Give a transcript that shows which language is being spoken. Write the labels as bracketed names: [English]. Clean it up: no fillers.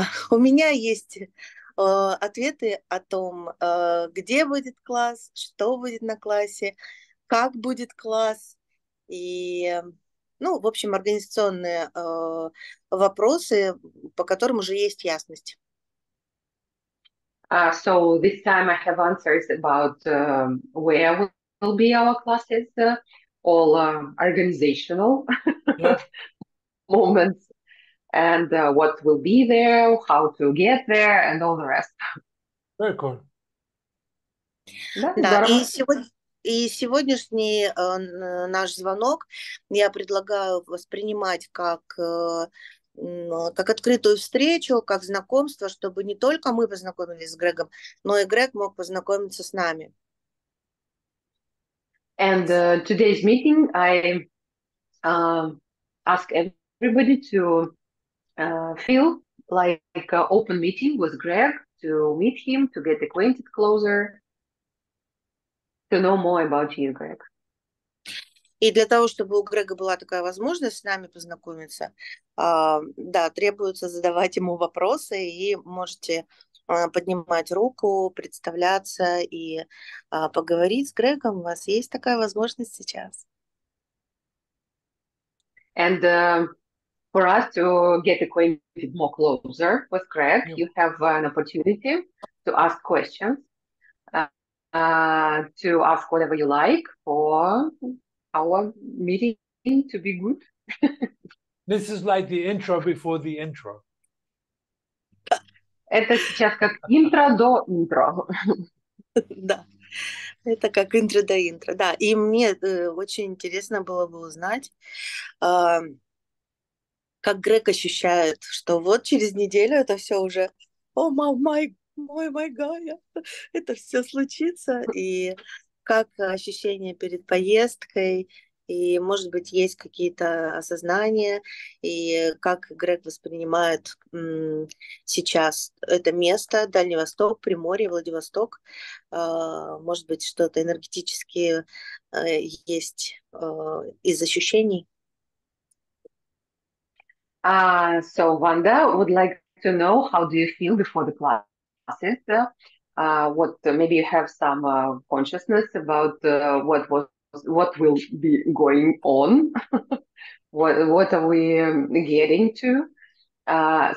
[Russian] У меня есть ответы о том, где будет класс, что будет на классе, как будет класс. И, ну, в общем, организационные вопросы, по которым уже есть ясность. [English] So this time I have answers about where will be our classes, all organizational moments, and what will be there, how to get there, and all the rest. Very cool. [Russian] Да, Да, здорово. и сегодняшний наш звонок я предлагаю воспринимать как открытую встречу, как знакомство, чтобы не только мы познакомились с Грегом, но и Грег мог познакомиться с нами. [English] And today's meeting, I ask everybody to feel like an open meeting with Greg, to meet him, to get acquainted closer, to know more about you, Greg. [Russian] И для того, чтобы у Грега была такая возможность с нами познакомиться, да, требуется задавать ему вопросы, и можете поднимать руку, представляться и поговорить с Грегом. У вас есть такая возможность сейчас. [English] And for us to get acquainted more closer with Greg, you have an opportunity to ask questions, to ask whatever you like for our meeting to be good. This is like the intro before the intro. [Russian] Это сейчас как интро до интро. Да, это как интро до интро. Да, и мне очень интересно было бы узнать, как Грег ощущает, что вот через неделю это все уже, о, май Гая, это все случится, и как ощущение перед поездкой, и, может быть, есть какие-то осознания, и как Грег воспринимает сейчас это место, Дальний Восток, Приморье, Владивосток. Может быть, что-то энергетически есть из ощущений. [English] So Wanda would like to know how do you feel before the classes? What maybe you have some consciousness about what will be going on? What are we getting to?